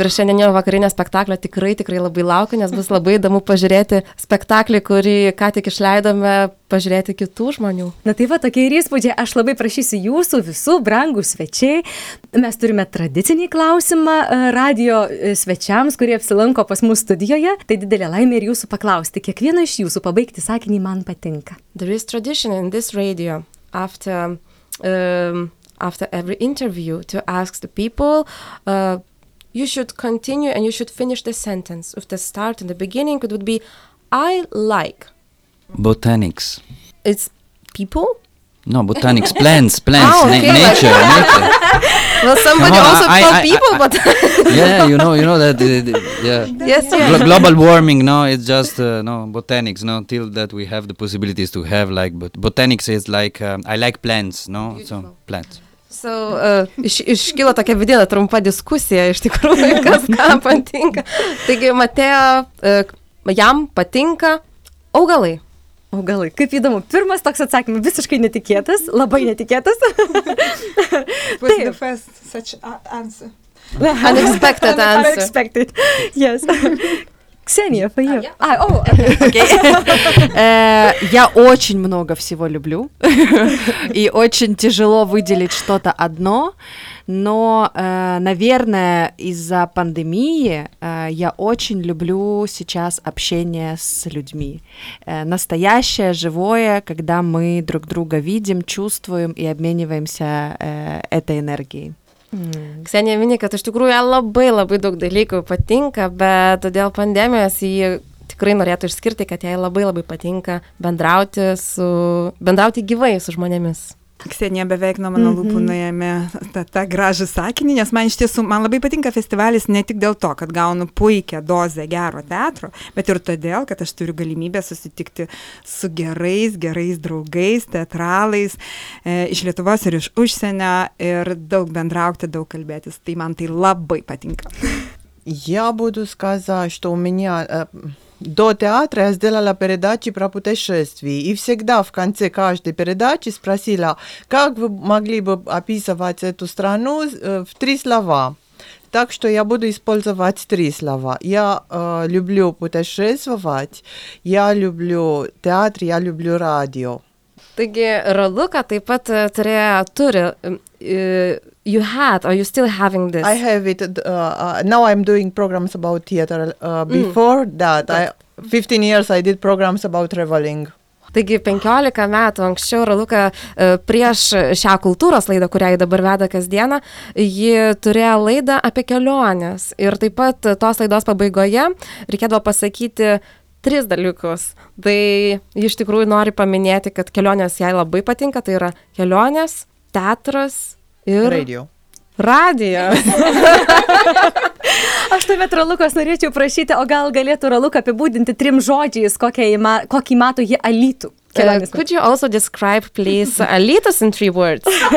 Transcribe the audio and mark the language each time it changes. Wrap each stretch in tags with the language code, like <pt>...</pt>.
<lt>Ir šiandien vakarinė spektaklio tikrai, tikrai labai laukiu, nes bus labai įdomu pažiūrėti spektaklį, kurį ką tik išleidome pažiūrėti kitų žmonių. Na tai va, tokie ir įspūdžiai. Aš labai prašysiu jūsų visų brangų svečiai. Mes turime tradicinį klausimą radio svečiams, kurie apsilanko pas mūsų studijoje. Tai didelė laimė ir jūsų paklausti. Kiekvieno iš jūsų pabaigti sakinį man patinka.</lt> <en>There is tradition in this radio after, after every interview to ask the people you should continue and you should finish the sentence with the start and the beginning. It would be I like botanics. It's people? No, botanics, plants, oh, okay, nature, but... nature. Well, somebody on, also called people, but... yeah, you know that, yeah. Yes, yeah. Global warming, no, it's just, no, botanics, no, till that we have the possibilities to have, like, but botanics is like, I like plants, no? Beautiful. So, plants.</en> <lt>So, iškilo tokia vidinė trumpa diskusija, iš tikrųjų, kas kam patinka. Taigi, Mateo, jam patinka augalai. Augalai, kaip įdomu. Pirmas toks atsakymas visiškai netikėtas, labai netikėtas.</lt> <en>Was the first such answer. Unexpected answer. Unexpected, yes.</en> <ru>Ксения,</ru> <en>for you. Yeah. Oh, okay.</en> <ru>Я очень много всего люблю, и очень тяжело выделить что-то одно, но, наверное, из-за пандемии я очень люблю сейчас общение с людьми. Настоящее, живое, когда мы друг друга видим, чувствуем и обмениваемся этой энергией. Mm.</ru> <lt>Ksenija mini, kad iš tikrųjų labai labai daug dalykų patinka, bet dėl pandemijos jį tikrai norėtų išskirti, kad jai labai labai patinka bendrauti gyvai su žmonėmis. Ksenija beveik nuo mano lūpų nuėmė tą gražų sakinį, nes man iš tiesų, man labai patinka festivalis ne tik dėl to, kad gaunu puikią dozę gero teatro, bet ir todėl, kad aš turiu galimybę susitikti su gerais draugais, teatralais iš Lietuvos ir iš užsienio ir daug bendrauti, daug kalbėtis. Tai man tai labai patinka.</lt> <ru>Я буду сказать, что у меня до театра я сделала передачи про путешествия, и всегда в конце каждой передачи спросила, как вы могли бы описывать эту страну в три слова. Так что я буду использовать три слова. Я люблю путешествовать, я люблю театр, я люблю радио.</ru> <lt>Taigi, Raluka taip pat turi,</lt> <en>you had, or you still having this? I have it, now I'm doing programs about theater, before that, I, 15 years I did programs about traveling.</en> <lt>Taigi, 15 metų anksčiau Raluka prieš šią kultūros laidą, kurią jį dabar veda kasdieną, ji turėjo laidą apie keliones. Ir taip pat tos laidos pabaigoje reikėdavo pasakyti, tris dalykus. Tai iš tikrųjų nori paminėti, kad kelionės jai labai patinka, tai yra kelionės, teatras ir... Radio. Radio. Aš tuomet Ralukos norėčiau prašyti, o gal galėtų Raluką apibūdinti trim žodžiais, kokį mato jį Alytų kelionės.</lt> <en>Could you also describe, please, Alytus in three words?</en>